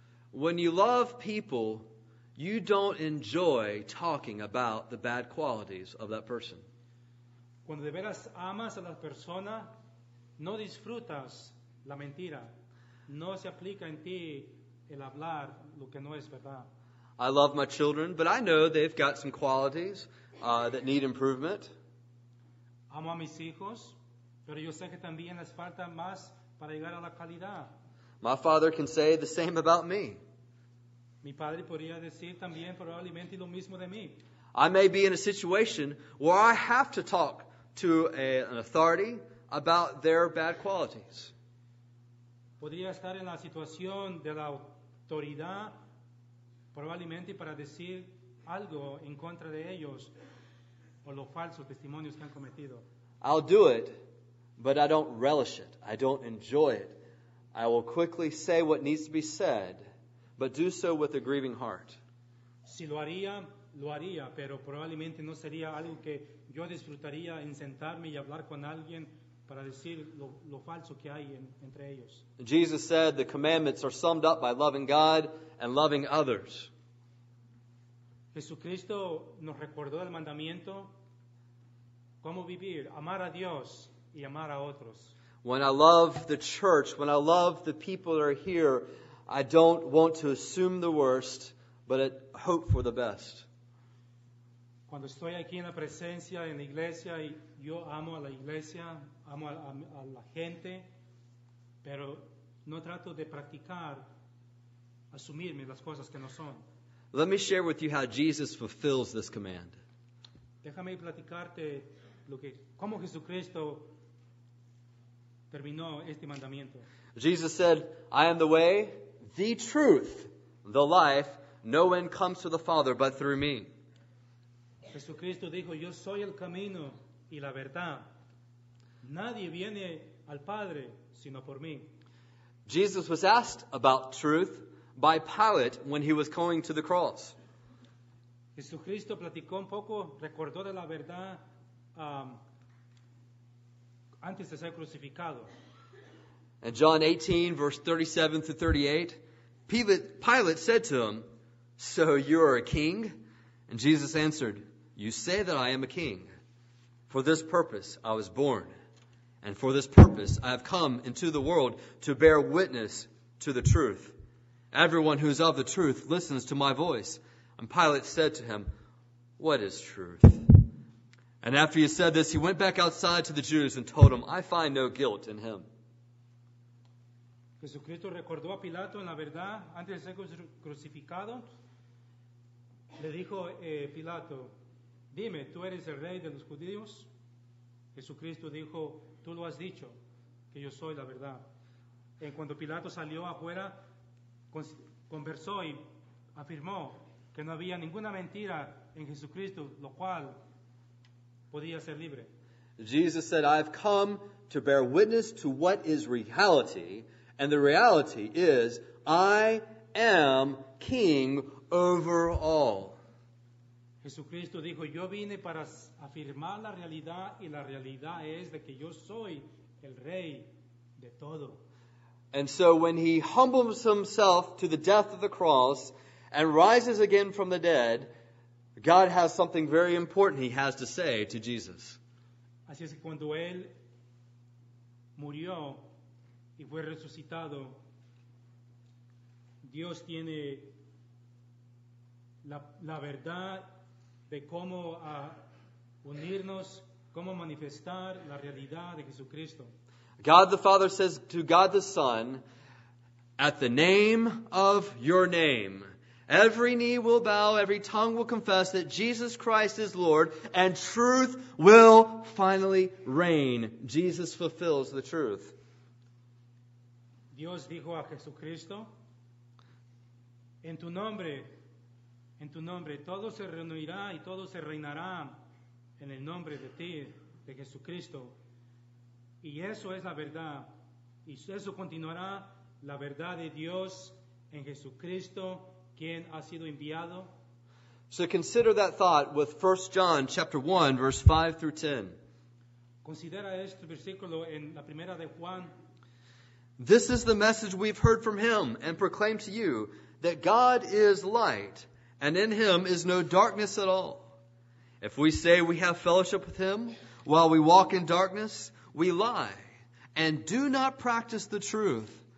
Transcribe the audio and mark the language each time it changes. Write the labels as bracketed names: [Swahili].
[English] When you love people, you don't enjoy talking about the bad qualities of that person. [Spanish] Cuando de veras amas a la persona, no disfrutas la mentira. No se aplica en ti el hablar lo que no es verdad. [English] I love my children, but I know they've got some qualities that need improvement. [Spanish] Amo a mis hijos, pero yo sé que también les falta más para llegar a la calidad. [English] My father can say the same about me. [Spanish] Mi padre podría decir también probablemente lo mismo de mí. [English] I may be in a situation where I have to talk to an authority about their bad qualities. [Spanish] Podría estar en la situación de la autoridad probablemente para decir algo en contra de ellos o los falsos testimonios que han cometido. [English] I'll do it, but I don't relish it. I don't enjoy it. I will quickly say what needs to be said, but do so with a grieving heart. [Spanish] Si lo haría, lo haría, pero probablemente no sería algo que yo disfrutaría en sentarme y hablar con alguien para decir lo falso que hay entre ellos. [English] Jesus said the commandments are summed up by loving God and loving others. [Spanish] Jesucristo nos recordó el mandamiento cómo vivir, amar a Dios y amar a otros. [English] When I love the church, when I love the people that are here, I don't want to assume the worst, but hope for the best. [Spanish] Cuando estoy aquí en la presencia, en la iglesia, y yo amo a la iglesia, amo a la gente, pero no trato de practicar asumirme las cosas que no son. [English] Let me share with you how Jesus fulfills this command. [Spanish] Déjame platicarte cómo Jesucristo terminó este mandamiento. [English] Jesus said, "I am the way, the truth, the life. No one comes to the Father but through me." [Spanish] Jesucristo dijo, "Yo soy el camino y la verdad. Nadie viene al Padre sino por mí." [English] Jesus was asked about truth by Pilate when he was going to the cross. [Spanish] Jesucristo platicó un poco, recordó de la verdad antes de ser crucificado. [English] In John 18, verse 37 to 38, Pilate said to him, "So you are a king?" And Jesus answered, "You say that I am a king. For this purpose I was born, and for this purpose I have come into the world to bear witness to the truth. Everyone who is of the truth listens to my voice." And Pilate said to him, "What is truth?" And after he said this, he went back outside to the Jews and told them, "I find no guilt in him." [Spanish] Jesucristo recordó a Pilato en la verdad antes de ser crucificado. Le dijo Pilato, "Dime, ¿tú eres el rey de los judíos?" Jesucristo dijo, tú lo has dicho, que yo soy la verdad. En cuando Pilato salió afuera, conversó y afirmó que no había ninguna mentira en Jesucristo, lo cual podía ser libre. [English] Jesus said, I have come to bear witness to what is reality, and the reality is, I am king over all. [Spanish] Jesucristo dijo, yo vine para afirmar la realidad, y la realidad es de que yo soy el rey de todo. [English] And so when he humbles himself to the death of the cross and rises again from the dead, God has something very important he has to say to Jesus. [Spanish] Así es que cuando él murió y fue resucitado, Dios tiene la verdad de cómo unirnos, cómo manifestar la realidad de Jesucristo. [English] God the Father says to God the Son, at the name of your name, every knee will bow, every tongue will confess that Jesus Christ is Lord, and truth will finally reign. Jesus fulfills the truth. [Spanish] Dios dijo a Jesucristo, en tu nombre, todo se reunirá y todo se reinará en el nombre de ti, de Jesucristo. Y eso es la verdad. Y eso continuará la verdad de Dios en Jesucristo, quien ha sido enviado. [English] So consider that thought with 1 John chapter 1, verse 5 through 10. [Spanish] Considera este versículo en la primera de Juan. [English] This is the message we've heard from him and proclaim to you, that God is light, and in him is no darkness at all. If we say we have fellowship with him while we walk in darkness, we lie and do not practice the truth.